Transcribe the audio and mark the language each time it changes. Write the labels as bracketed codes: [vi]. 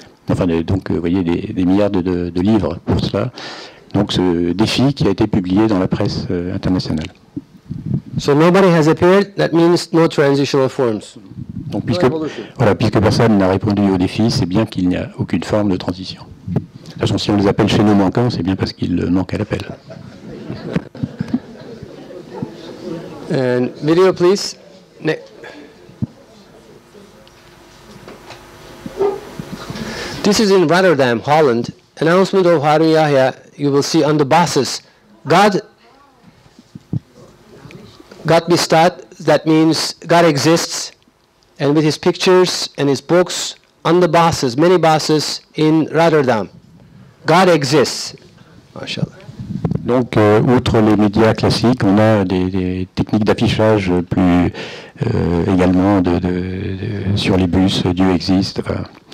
[fr] Enfin, donc, vous voyez, des milliards de livres pour cela. Donc, ce défi qui a été publié dans la presse internationale. [en] So nobody has appeared. That means no transitional forms. [fr] Donc, puisque personne n'a répondu au défi, c'est bien qu'il n'y a aucune forme de transition. De toute façon, si on les appelle chez nous manquants, c'est bien parce qu'ils manquent à l'appel. [en] And video, please. This is in Rotterdam, Holland. Announcement of Hari Yahya, you will see on the buses. [nl] God bestaat, [en] that means God exists, and with his pictures and his books on the buses, many buses in Rotterdam. God exists. MashaAllah. [fr] Donc, outre les médias classiques, on a des techniques d'affichage plus également de sur les bus, Dieu existe. Enfin.